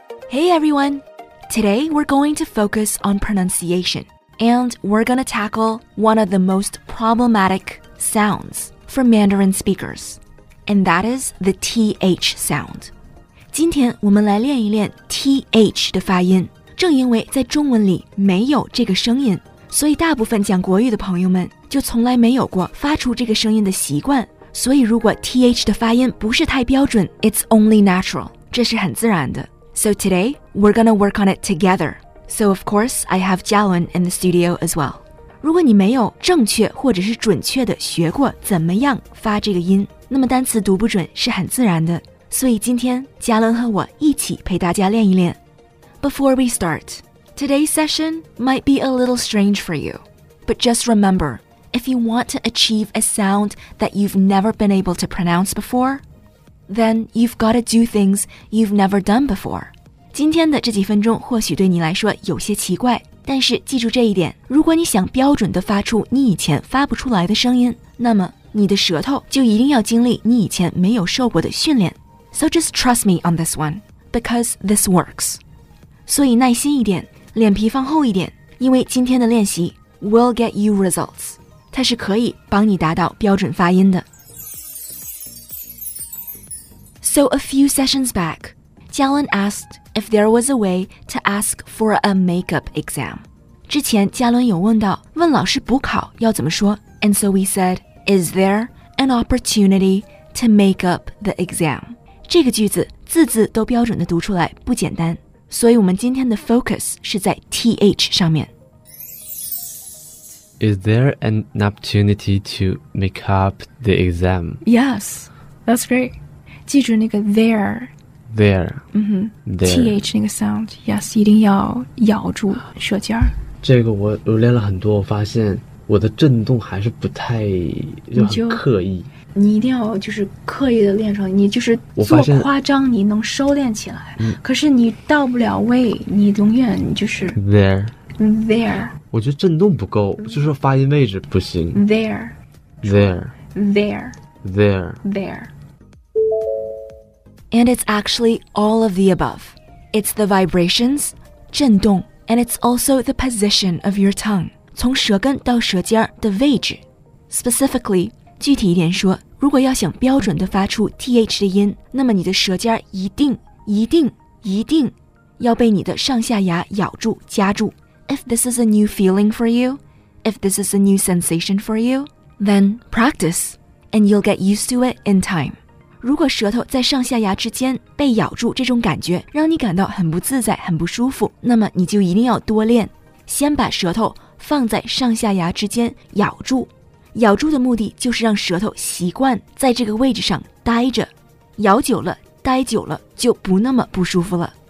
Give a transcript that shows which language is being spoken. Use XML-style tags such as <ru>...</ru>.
<en>Hey everyone, today we're going to focus on pronunciation, and we're going to tackle one of the most problematic sounds for Mandarin speakers, and that is the TH sound.</en> <zh>今天我们来练一练 TH 的发音。正因为在中文里没有这个声音，所以大部分讲国语的朋友们就从来没有过发出这个声音的习惯。所以如果 TH 的发音不是太标准，</zh> <en>It's only natural，</en> <zh>这是很自然的。</zh> <en>So today, we're gonna work on it together. So of course, I have Jialun in the studio as well.</en> <zh>如果你没有正确或者是准确的学过怎么样发这个音，那么单词读不准是很自然的。所以今天，Jialun和我一起陪大家练一练。</zh> <en>Before we start, today's session might be a little strange for you. But just remember, if you want to achieve a sound that you've never been able to pronounce before, then you've got to do things you've never done before.</en> <zh>今天的这几分钟或许对你来说有些奇怪，但是记住这一点，如果你想标准地发出你以前发不出来的声音，那么你的舌头就一定要经历你以前没有受过的训练。</zh> <en>So just trust me on this one, because this works.</en> <zh>所以耐心一点，脸皮放厚一点，因为今天的练习</zh> <en>will get you results，</en> <zh>它是可以帮你达到标准发音的。</zh> <en>So a few sessions back, Jialun asked if there was a way to ask for a makeup exam.</en> <zh>之前嘉伦有问到，问老师补考要怎么说。</zh> <en>And so we said, is there an opportunity to make up the exam?</en> <zh>这个句子字字都标准地读出来不简单。所以我们今天的 focus 是在 TH 上面。</zh> <en>Is there an opportunity to make up the exam? Yes, that's great.</en> <zh>记住那个</zh> <en>there. There. There. TH 那个 sound.</en> <zh>Yes, 一定要咬住舌尖。这个我练了很多，我发现我的震动还是不太就很刻意。你一定要就是刻意的练成，你就是做夸张你能收敛起来，可是你到不了位，你永远就是</zh> <en>there there。</en> <zh>我觉得震动不够，就是发音位置不行。</zh> <en>there there there there there。 And it's actually all of the above. It's the vibrations</en> <zh>震动，</zh> <en>and it's also the position of your tongue</en> <zh>从舌根到舌尖的位置。</zh> <en>Specifically,</en> <zh>具体一点说，如果要想标准地发出 TH 的音，那么你的舌尖一定一定一定要被你的上下牙咬住夹住。</zh> <en>If this is a new feeling for you, if this is a new sensation for you, then practice and you'll get used to it in time.</en> <zh>如果舌头在上下牙之间被咬住这种感觉让你感到很不自在很不舒服，那么你就一定要多练，先把舌头放在上下牙之间咬住。咬住的目的就是让舌头习惯在这个位置上待着，咬久了待久了就不那么不舒服了。</zh>